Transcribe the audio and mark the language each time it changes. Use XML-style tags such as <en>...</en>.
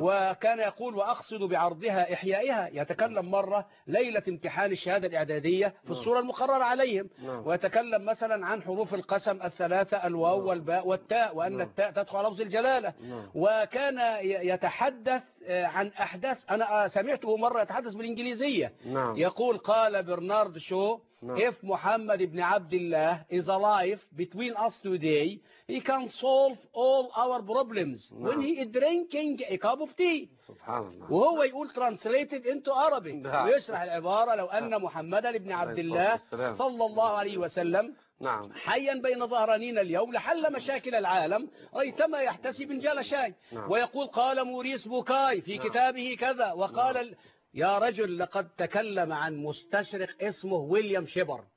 <ar>وكان يقول وأقصد بعرضها إحيائها، يتكلم مرة ليلة امتحان الشهادة الإعدادية في الصورة المقررة عليهم. نعم. ويتكلم مثلا عن حروف القسم الثلاثة الواو. نعم. والباء والتاء، وأن. نعم. التاء تدخل على لفظ الجلالة. نعم. وكان يتحدث عن أحداث، أنا سمعته مرة يتحدث بالإنجليزية. نعم. يقول قال برنارد شو No.</ar> <en>If Muhammad ibn Abdullah is alive between us today, he can solve all our problems. No. When he is drinking a cup of tea.</en> <ar>Subhanallah. وهو يقول</ar> <en>translated into Arabic. No.</en> <ar>ويشرح العبارة لو أن محمد ابن عبد الله صلى الله عليه وسلم نعم حيا بين ظهرانينا اليوم لحل مشاكل العالم ريتما يحتسي بنجال شاي نعم ويقول قال موريس بوكاي في نعم كتابه كذا وقال نعم يا رجل لقد تكلم عن مستشرق اسمه ويليام شيبرد</ar>